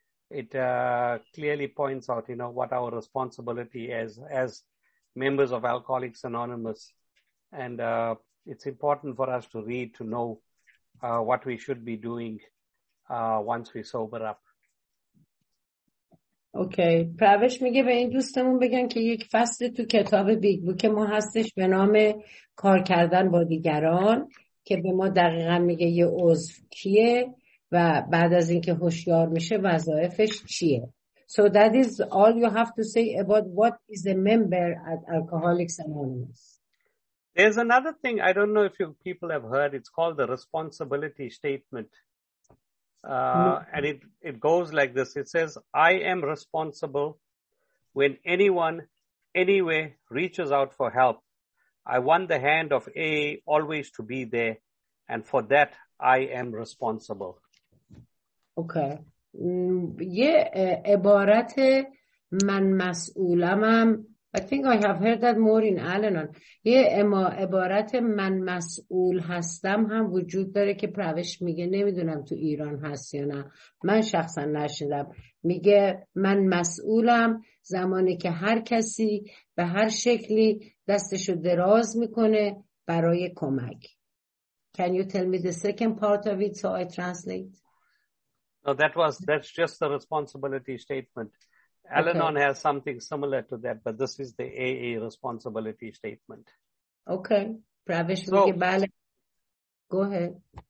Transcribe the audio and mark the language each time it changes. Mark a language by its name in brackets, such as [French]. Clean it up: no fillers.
[English] It clearly points out, you know, what our responsibility is as members of Alcoholics Anonymous. And it's important for us to read to know what we should be doing once we sober up. [Persian] اوکی. پروش میگه به این دوستمون بگن که یک فصل تو کتاب بیگ بوک ما هستش به نام کار کردن با دیگران، که به ما دقیقا میگه یه عضو کیه و بعد از اینکه هوشیار میشه وظایفش چیه. [English] So that is all you have to say about what is a member at Alcoholics Anonymous. There's another thing, I don't know if you people have heard, it's called the responsibility statement. And it goes like this. It says, I am responsible when anyone, anywhere reaches out for help. I want the hand of AA always to be there. And for that, I am responsible. [Persian] Okay. یه عبارت من مسئولمم. [English] I think I have heard that more in Al-Anon. [Persian] یه عبارت من مسئول هستم هم وجود داره که پروش میگه نمیدونم تو ایران هست یا نه. من شخصا نشنیدم. میگه من مسئولم زمانی که هر کسی به هر شکلی دستشو دراز میکنه برای کمک. [English] Can you tell me the second part of it so I translate? No, that's just the responsibility statement. Okay. Al-Anon has something similar to that, but this is the AA responsibility statement. Okay. Pravesh, go ahead.